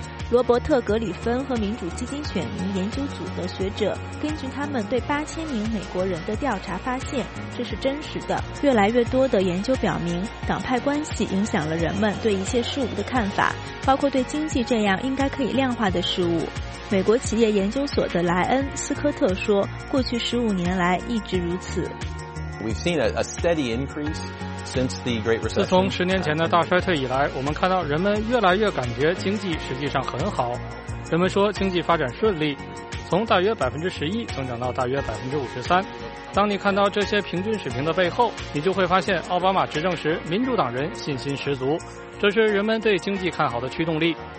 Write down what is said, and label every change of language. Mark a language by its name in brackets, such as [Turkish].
[Chinese] 罗伯特·格里芬和民主基金选民研究组的学者根据他们对8000名美国人的调查发现，这是真实的。越来越多的研究表明，党派关系影响了人们对一切事物的看法，包括对经济这样应该可以量化的事物。美国企业研究所的莱恩·斯科特说，过去15年来一直如此。 [English] We've seen a steady increase since the Great Recession. [Chinese] 自从十年前的大衰退以来，我们看到人们越来越感觉经济实际上很好。人们说经济发展顺利，从大约11%增长到大约53%。当你看到这些平均水平的背后，你就会发现奥巴马执政时民主党人信心十足，这是人们对经济看好的驱动力。